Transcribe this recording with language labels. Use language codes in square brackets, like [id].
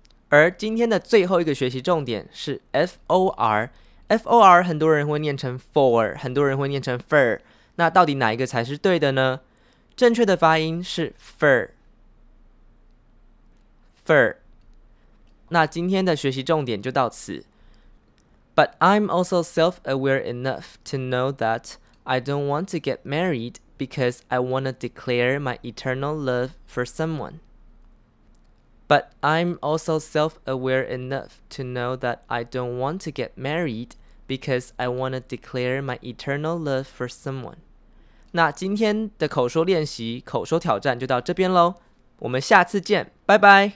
[zh] 而今天的最后一个学习重点是 for， 很多人会念成 for， 很多人会念成 fur， 那到底哪一个才是对的呢？正确的发音是 fur。那今天的学习重点就到此。 [en] But I'm also self-aware enough to know that I don't want to get married because I want to declare my eternal love for someone. But I'm also self-aware enough to know that I don't want to get married because I want to declare my eternal love for someone. [zh] 那今天的口说练习，口说挑战就到这边咯。我们下次见，拜拜。